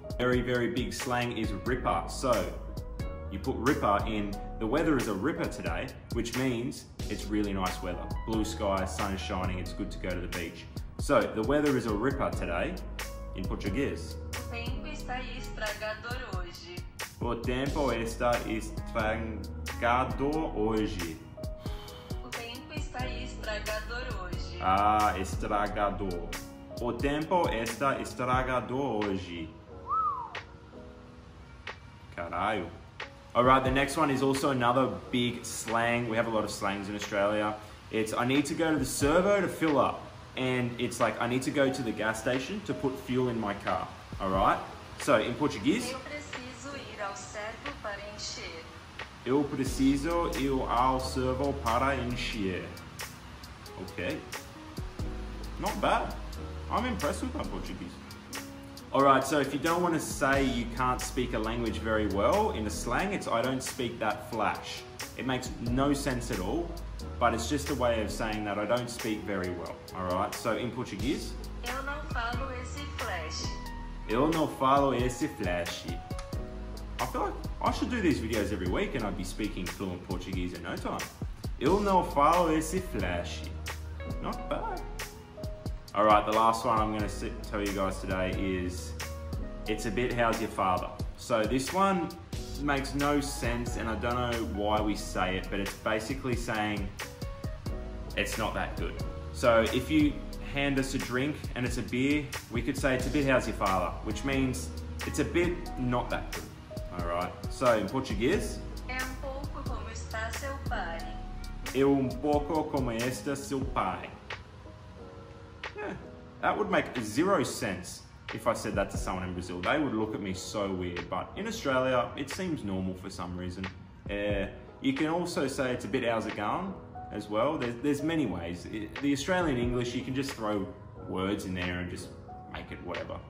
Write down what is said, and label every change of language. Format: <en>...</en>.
<en>Very, very big slang is ripper. So, you put ripper in, the weather is a ripper today, which means it's really nice weather. Blue sky, sun is shining, it's good to go to the beach. So, the weather is a ripper today in Portuguese.</en> <pt>O tempo está estragador hoje. O tempo está estragador hoje. O tempo está estragador hoje. Ah, estragador. O tempo está estragador hoje. Caralho.</pt> <en>All right, the next one is also another big slang. We have a lot of slangs in Australia. It's, I need to go to the servo to fill up. And it's like, I need to go to the gas station to put fuel in my car. All right? So, in Portuguese.</en> <pt>Eu preciso ir ao servo para encher. Eu preciso ir ao servo para encher.</pt> <en>Okay. Not bad. I'm impressed with my Portuguese. Alright, so if you don't want to say you can't speak a language very well in a slang, it's I don't speak that flash. It makes no sense at all, but it's just a way of saying that I don't speak very well. Alright, so in Portuguese.</en> <pt>Eu não falo esse flash. Eu não falo esse flash.</pt> <en>I feel like I should do these videos every week and I'd be speaking fluent Portuguese in no time.</en> <pt>Eu não falo esse flash.</pt> <en>Not bad. All right, the last one I'm going to tell you guys today is, it's a bit, how's your father? So this one makes no sense and I don't know why we say it, but it's basically saying it's not that good. So if you hand us a drink and it's a beer, we could say it's a bit, how's your father? Which means it's a bit not that good. All right, so in Portuguese.</en> <pt>É pouco como está seu pai. É pouco como está seu pai.</pt> <en>That would make zero sense if I said that to someone in Brazil. They would look at me so weird. But in Australia, it seems normal for some reason. You can also say it's a bit how's it going as well. There's many ways. The Australian English, you can just throw words in there and just make it whatever.</en>